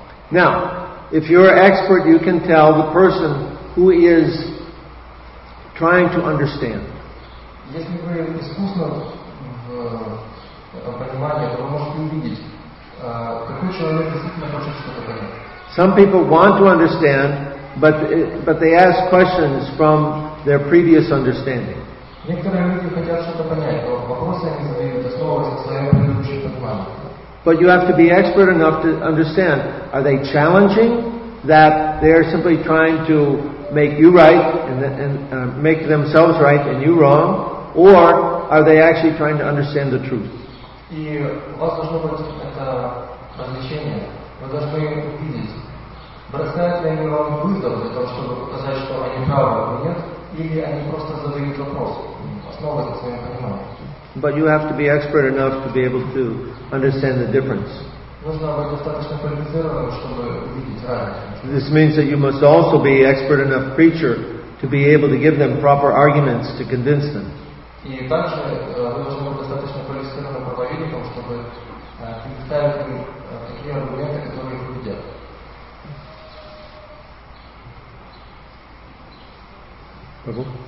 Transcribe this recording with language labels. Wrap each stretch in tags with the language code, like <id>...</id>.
<en>Now, if you're an expert, you can tell the person who is trying to understand.</en> <ru>Если вы искусно в понимании, то вы можете увидеть, какой человек действительно хочет что-то понять.</ru> <en>Some people want to understand, but they ask questions from their previous understanding.</en> <ru>Некоторые люди хотят что-то понять, но вопросы они задают, основываясь на своем предыдущем понимании.</ru> <en>But you have to be expert enough to understand, are they challenging that they are simply trying to make you right and make themselves right and you wrong? Or are they actually trying to understand the truth?</en> <ru>И у вас должно быть это различение. Вы должны увидеть, бросают ли они вам вызов для того, чтобы показать, что они правы или нет, или они просто задают вопрос, основываясь на своем понимании.</ru> <en>But you have to be expert enough to be able to understand the difference.</en> <ru>Нужно быть достаточно квалифицированным, чтобы увидеть разницу.</ru> <en>This means that you must also be expert enough preacher to be able to give them proper arguments to convince them.</en> <ru>И также вы должны быть достаточно квалифицированным проповедником, чтобы представить им такие аргументы, которые их убедят. Прабу?</ru>